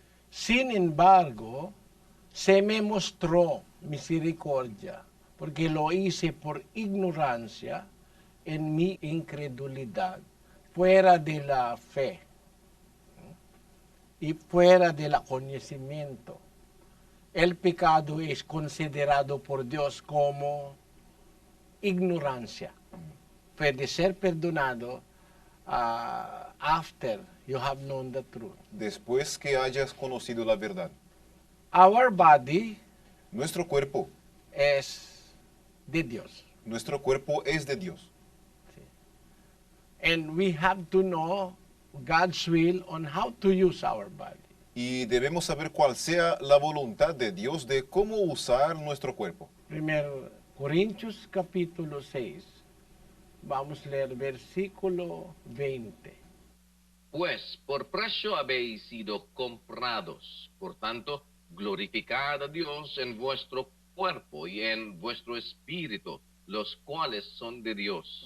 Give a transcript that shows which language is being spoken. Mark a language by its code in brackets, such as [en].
[es] Sin embargo, se me mostró misericordia, porque lo hice por ignorancia en mi incredulidad. Fuera de la fe. Y fuera del conocimiento. El pecado es considerado por Dios como ignorancia. Puede ser perdonado [en] after you have known the truth. [es] Después que hayas conocido la verdad. [en] Our body. [es] Nuestro cuerpo. Es de Dios. Nuestro cuerpo es de Dios. Sí. [en] And we have to know God's will on how to use our body. [es] Y debemos saber cuál sea la voluntad de Dios de cómo usar nuestro cuerpo. 1 Corintios capítulo 6. Vamos a leer versículo 20. Pues por precio habéis sido comprados, por tanto, glorificad a Dios en vuestro cuerpo y en vuestro espíritu, los cuales son de Dios.